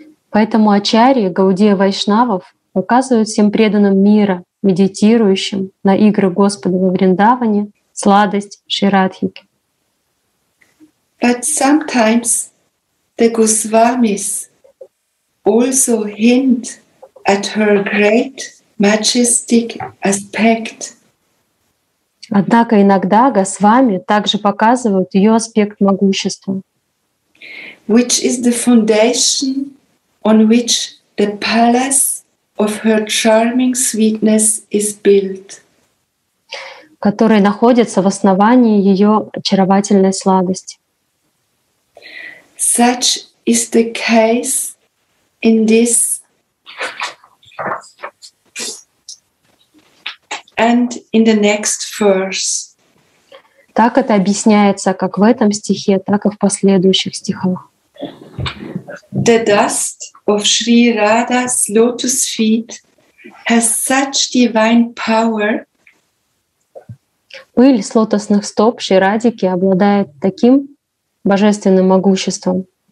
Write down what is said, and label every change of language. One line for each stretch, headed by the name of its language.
Russian: Поэтому Ачарьи, Гаудия Вайшнавов, указывают всем преданным мира, медитирующим на игры Господа во Вриндаване, сладость Шри Радхики.
English: But sometimes the Goswamis also hint at her great majestic aspect.
Russian: Однако иногда Госвами также показывают ее аспект могущества,
English: which is the foundation on which the palace of her charming sweetness is built,
Russian: который находится в основании ее очаровательной сладости.
English: Such is the case in this and in the next verse.
Russian: Так это объясняется как в этом стихе, так и в последующих стихах.
English: The dust of Sri Radha's lotus feet has such divine power.
Russian: Пыль с лотосных стоп Шри Радхики обладает таким божественным могуществом,